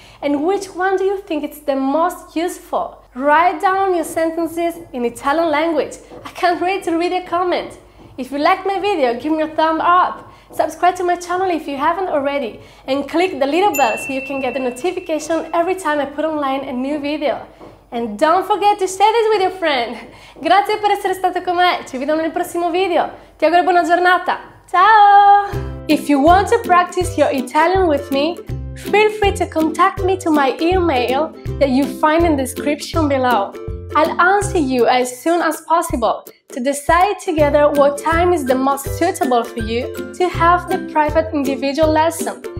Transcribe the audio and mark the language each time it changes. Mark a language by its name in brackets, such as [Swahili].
[English] And which one do you think it's the most useful? Write down your sentences in Italian language. I can't wait to read your comment. If you like my video, give me a thumb up. Subscribe to my channel if you haven't already and click the little bell so you can get the notification every time I put online a new video. And don't forget to share this with your friend! [Italian] Grazie per essere stato con me, ci vediamo nel prossimo video! Ti auguro buona giornata! Ciao! [English] If you want to practice your Italian with me, feel free to contact me to my email that you find in the description below. I'll answer you as soon as possible to decide together what time is the most suitable for you to have the private individual lesson.